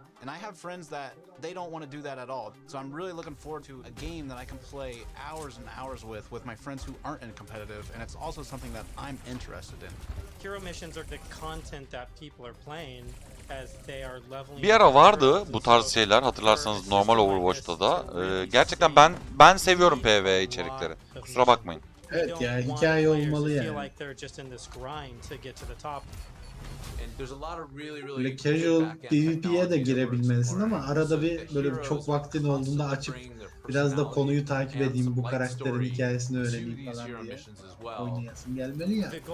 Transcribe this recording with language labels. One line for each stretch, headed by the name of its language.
English: And I have friends that they don't want to do that at all. So I'm really looking forward to a game that I can play hours and hours with my friends who aren't in competitive, and it's also something that I'm interested in. Hero missions are the content that people are playing as they are leveling.
Turkish: Bir ara vardı bu tarz şeyler, hatırlarsanız normal Overwatch'ta da. Gerçekten ben seviyorum PvE içerikleri. Kusura bakmayın. Evet ya, hikaye olmalı yani.
English: Feel like they're just in this grind to get to the top.
Turkish: Böyle casual PvP'ye de girebilmelisin ama arada bir böyle çok vaktin olduğunda açıp biraz da konuyu takip edeyim, bu karakterin hikayesini öğreneyim falan diye oynayasın gelmeli ya.